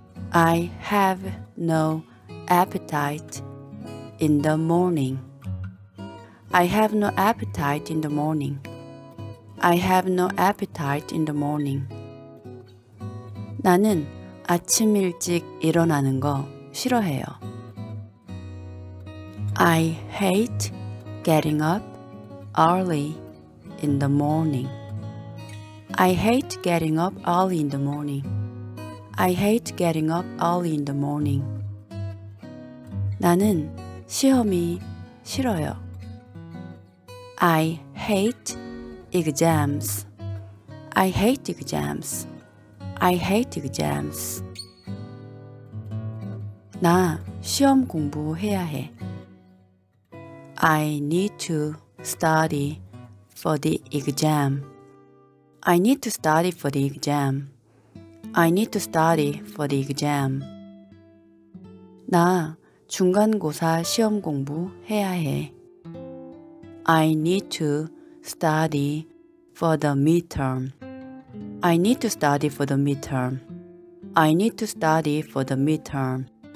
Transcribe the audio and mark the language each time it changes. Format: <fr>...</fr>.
<en>I have no appetite in the morning. I have no appetite in the morning. I have no appetite in the morning.</en> <ko>나는 아침 일찍 일어나는 거 싫어해요.</ko> <en>I hate getting up early in the morning. I hate getting up early in the morning. I hate getting up early in the morning.</en> <ko>나는 시험이 싫어요.</ko> <en>I hate exams. I hate exams. I hate exams.</en> <ko>나 시험 공부해야 해.</ko> <en>I need to study for the exam. I need to study for the exam. I need to study for the exam.</en> <ko>나 중간고사 시험 공부 해야 해.</ko> <en>I need to study for the midterm. I need to study for the midterm. I need to study for the midterm.</en>